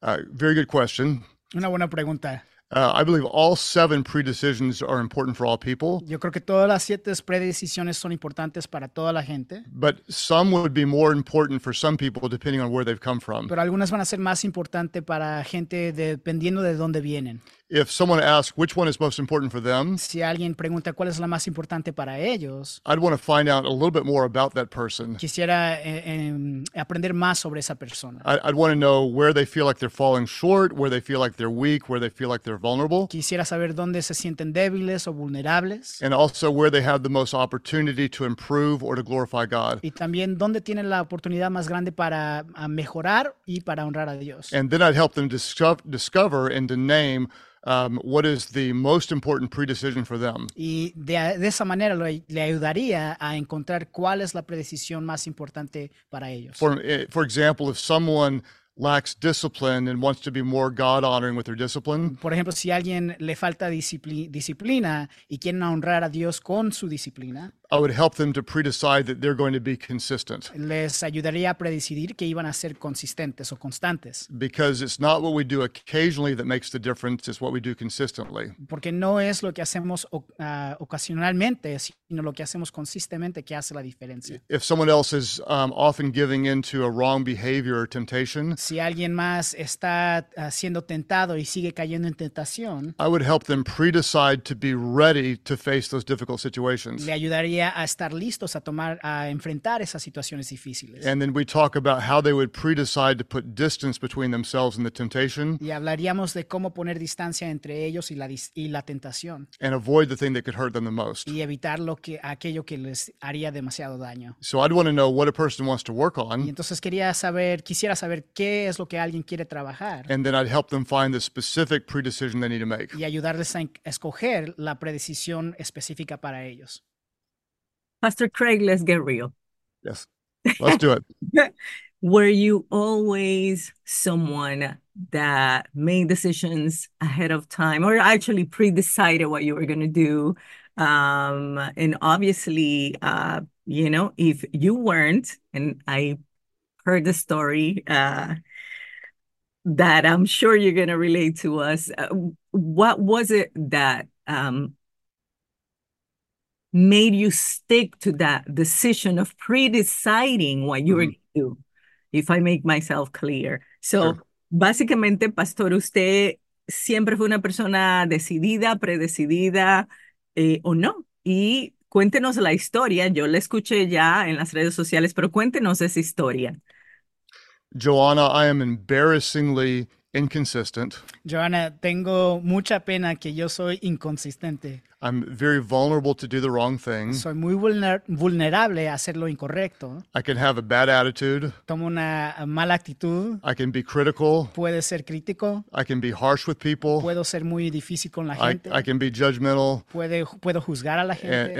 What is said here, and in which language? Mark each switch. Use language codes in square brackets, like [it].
[en] Very good question. [es] Una buena pregunta. [en] I believe all 7 predecisions are important for all people. [es] Yo creo que todas las 7 predecisiones son importantes para toda la gente. [en] But some would be more important for some people depending on where they've come from. [es] Pero algunas van a ser más importantes para gente dependiendo de dónde vienen. [en] If someone asks which one is most important for them, [es] si alguien pregunta cuál es la más importante para ellos, [en] I'd want to find out a little bit more about that person. [es] Quisiera aprender más sobre esa persona. [en] I'd want to know where they feel like they're falling short, where they feel like they're weak, where they feel like they're vulnerable. [es] Quisiera saber dónde se sienten débiles o vulnerables. [en] And also where they have the most opportunity to improve or to glorify God. [es] Y también dónde tienen la oportunidad más grande para mejorar y para honrar a Dios. [en] And then I'd help them discover and to name what is the most important predecision for them. [es] Y de esa manera le ayudaría a encontrar cuál es la predecisión más importante para ellos. [en] For example, if someone lacks discipline and wants to be more God-honoring with their discipline. [es] Por ejemplo, si alguien le falta disciplina y quieren honrar a Dios con su disciplina, [en] I would help them to predecide that they're going to be consistent. [es] Les ayudaría a predecidir que iban a ser consistentes o constantes. [en] Because it's not what we do occasionally that makes the difference, it's what we do consistently. [es] Porque no es lo que hacemos ocasionalmente, sino lo que hacemos consistentemente que hace la diferencia. [en] If someone else is often giving into a wrong behavior or temptation, [es] si alguien más está siendo tentado y sigue cayendo en tentación, [en] I would help them predecide to be ready to face those difficult situations. [es] Le ayudaría a estar listos a tomar, a enfrentar esas situaciones difíciles. [en] And then we talk about how they would predecide to put distance between themselves and the temptation. [es] Y hablaríamos de cómo poner distancia entre ellos y la tentación. [en] And avoid the thing that could hurt them the most. [es] Y evitar aquello que les haría demasiado daño. [en] So I'd want to know what a person wants to work on. [es] Y entonces quisiera saber qué es lo que alguien quiere trabajar. [en] And then I'd help them find the specific predecision they need to make. [es] Y ayudarles a escoger la predecisión específica para ellos. [en] Pastor Craig, let's get real. Yes, let's do it. Were you always someone that made decisions ahead of time or actually pre-decided what you were going to do? And obviously, you know, if you weren't, and I heard the story that I'm sure you're going to relate to us, what was it that made you stick to that decision of pre-deciding what you were going to do, if I make myself clear. So, sure. [es] Básicamente, Pastor, usted siempre fue una persona decidida, predecidida, o no. Y cuéntenos la historia. Yo la escuché ya en las redes sociales, pero cuéntenos esa historia. [en] Joanna, I am embarrassingly inconsistent. [es] Joanna, tengo mucha pena que yo soy inconsistente. [en] I'm very vulnerable to do the wrong thing. [es] Soy muy vulnerable a hacer lo incorrecto. [en] I can have a bad attitude. [es] Tomo una mala actitud. [en] I can be critical. [es] Puedo ser crítico. [en] I can be harsh with people. [es] Puedo ser muy difícil con la gente. [en] I can be judgmental. [es] Puedo juzgar a la gente.